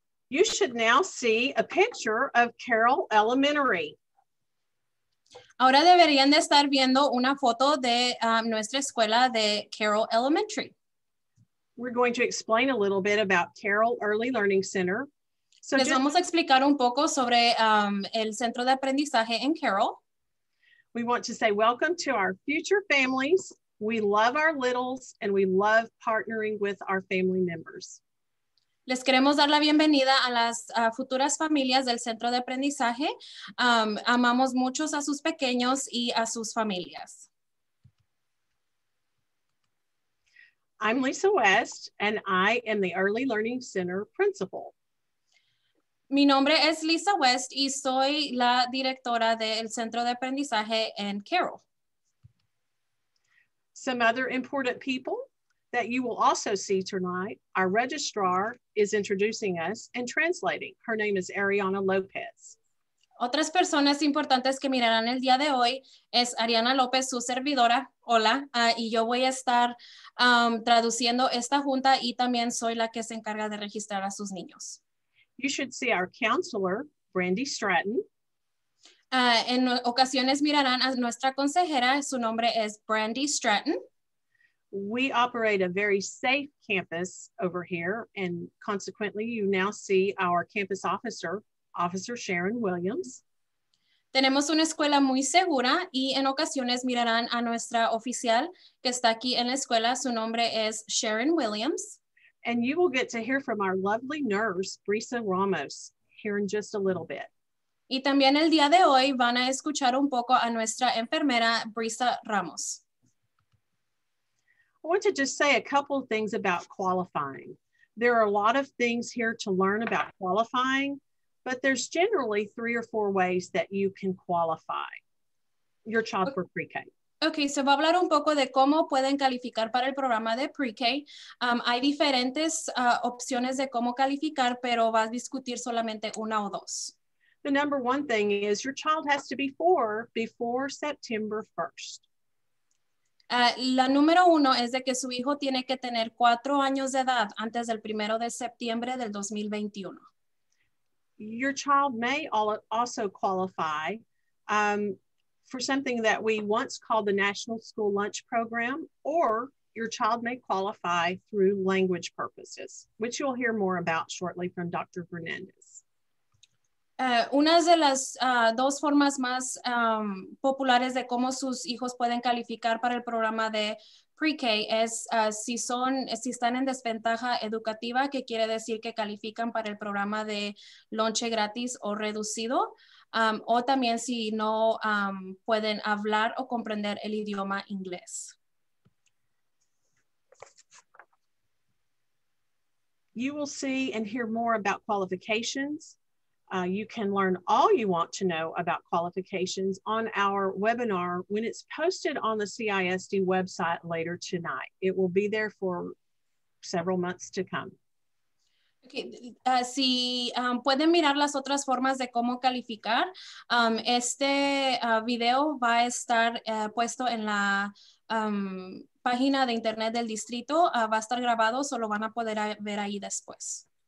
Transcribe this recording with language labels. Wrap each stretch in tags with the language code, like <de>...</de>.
<en>You should now see a picture of Carroll Elementary.</en> <es>Ahora deberían de estar viendo una foto de nuestra escuela de Carroll Elementary.</es> <en>We're going to explain a little bit about Carroll Early Learning Center.</en> <es>So les vamos a explicar un poco sobre el centro de aprendizaje en Carroll.</es> <en>We want to say welcome to our future families. We love our littles and we love partnering with our family members.</en> <es>Les queremos dar la bienvenida a las futuras familias del centro de aprendizaje. Amamos muchos a sus pequeños y a sus familias.</es> <en>I'm Lisa West, and I am the Early Learning Center principal.</en> <es>Mi nombre es Lisa West, y soy la directora del Centro de Aprendizaje en Carroll.</es> <en>Some other important people that you will also see tonight, our registrar is introducing us and translating. Her name is Ariana Lopez.</en> <es>Otras personas importantes que mirarán el día de hoy es Ariana López, su servidora. Hola, y yo voy a estar traduciendo esta junta y también soy la que se encarga de registrar a sus niños.</es> <en>You should see our counselor, Brandy Stratton.</en> <es>En ocasiones mirarán a nuestra consejera, su nombre es Brandy Stratton.</es> <en>We operate a very safe campus over here and consequently you now see our campus officer, Officer Sharon Williams.</en> <es>Tenemos una escuela muy segura y en ocasiones mirarán a nuestra oficial que está aquí en la escuela. Su nombre es Sharon Williams.</es> <en>And you will get to hear from our lovely nurse, Brisa Ramos, here in just a little bit.</en> <es>Y también el día de hoy van a escuchar un poco a nuestra enfermera, Brisa Ramos.</es> <en>I want to just say a couple of things about qualifying. There are a lot of things here to learn about qualifying. But there's generally three or four ways that you can qualify your child for PreK.</en> <es>Okay, so va a hablar un poco de cómo pueden calificar para el programa de PreK. Hay diferentes opciones de cómo calificar, pero va a discutir solamente una o dos.</es> <en>The number one thing is your child has to be four before September 1st.</en> <es>La número uno es de que su hijo tiene que tener 4 años de edad antes del primero de septiembre del 2021.</es> <en>Your child may also qualify for something that we once called the National School Lunch Program, or your child may qualify through language purposes, which you'll hear more about shortly from Dr. Fernandez.</en> <es>Una de las dos formas más populares de cómo sus hijos pueden calificar para el programa de PreK es si están en desventaja educativa, que quiere decir que califican para el programa de lonche gratis o reducido, o también si no pueden hablar o comprender el idioma inglés.</es> <en>You will see and hear more about qualifications. You can learn all you want to know about qualifications on our webinar when it's posted on the CISD website later tonight. It will be there for several months to come.</en> <es>Okay, si pueden mirar las otras formas de cómo calificar, este video va a estar puesto en la página de internet del distrito. Va a estar grabado, solo van a poder ver ahí después.</es>